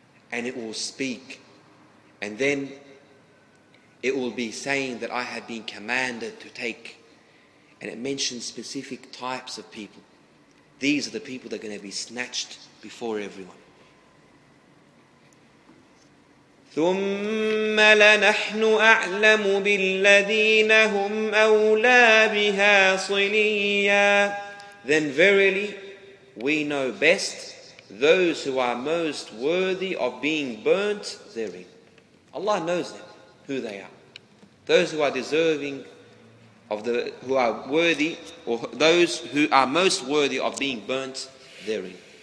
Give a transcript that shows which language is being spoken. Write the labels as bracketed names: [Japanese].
[English] And it will speak. And then it will be saying that I have been commanded to take. And it mentions specific types of people. These are the people that are going to be snatched before everyone. [Arabic] ثم لنحن أعلم بالذين هم أولى بها صليا. [English] Then verily we know best those who are most worthy of being burnt therein. Allah knows them, who they are. Those who are deserving of the, who are worthy, or those who are most worthy of being burnt therein.